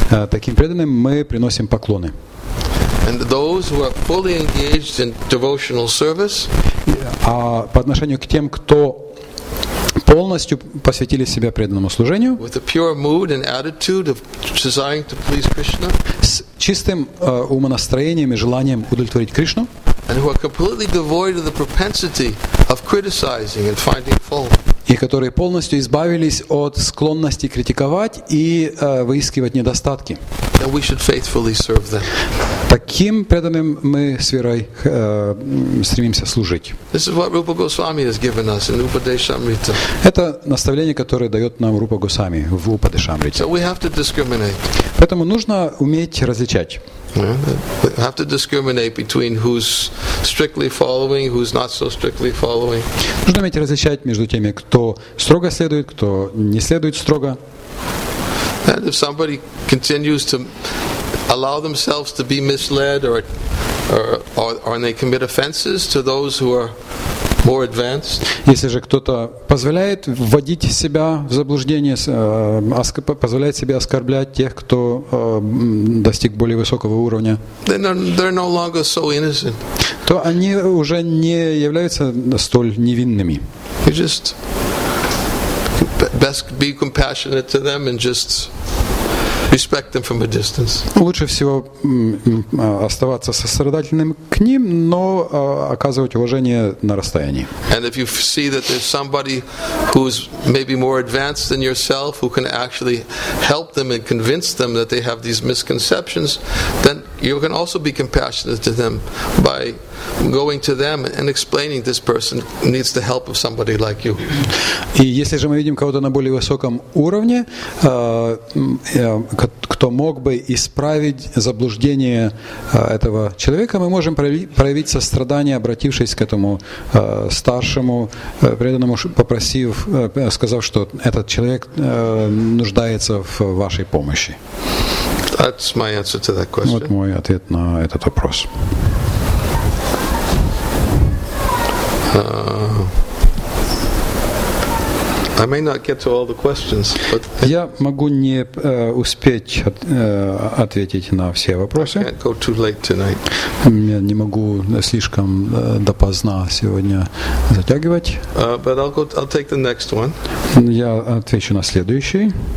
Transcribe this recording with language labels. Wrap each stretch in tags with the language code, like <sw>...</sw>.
<ru>Таким преданным мы приносим поклоны.</ru> <en>And those who are fully engaged in devotional service,</en> <ru>а по отношению к тем, кто полностью посвятили себя преданному служению,</ru> <en>with a pure mood and attitude of desiring to please Krishna,</en> <ru>с чистым умонастроением и желанием удовлетворить Кришну,</ru> <en>and who are completely devoid of the propensity of criticizing and finding fault,</en> <ru>и которые полностью избавились от склонности критиковать и выискивать недостатки.</ru> <en>Then we should faithfully serve them.</en> <ru>Таким преданным мы с верой стремимся служить.</ru> <en>This is what Rupa Goswami has given us in Upadeshamrita.</en> <ru>Это наставление, которое дает нам Рупа Госвами в Упадешамрите.</ru> <en>So we have to discriminate.</en> <ru>Поэтому нужно уметь различать.</ru> <en>We have to discriminate between who's strictly following, who's not so strictly following.</en> <ru>Нужно уметь различать между теми, кто строго следует, кто не следует строго.</ru> <en>And if somebody continues to allow themselves to be misled, or they commit offenses to those who are more advanced.</en> <ru>Если же кто-то позволяет вводить себя в заблуждение, позволяет себе оскорблять тех, кто достиг более высокого уровня,</ru> <en>they're no longer so innocent.</en> <ru>То они уже не являются столь невинными.</ru> <en>You just best be compassionate to them and just respect them from a distance.</en> <ru>Лучше всего оставаться сострадательным к ним, но оказывать уважение на расстоянии.</ru> <en>And if you see that there's somebody who's maybe more advanced than yourself, who can actually help them and convince them that they have these misconceptions, then you can also be compassionate to them by going to them and explaining this person needs the help of somebody like you.</en> <ru>И если же мы видим кого-то на более высоком уровне, кто мог бы исправить заблуждение этого человека, мы можем проявить сострадание, обратившись к этому старшему преданному, попросив, сказав, что этот человек нуждается в вашей помощи.</ru> <en>That's my answer to that question.</en> <ru>Вот мой ответ на этот вопрос.</ru> <en>I may not get to all the questions, but</en> <ru>я могу не успеть ответить на все вопросы.</ru> <en>I can't go too late tonight.</en> <ru>Я не могу слишком допоздна сегодня затягивать.</ru> <en>But I'll take the next one.</en> <ru>Я отвечу на следующий.</ru>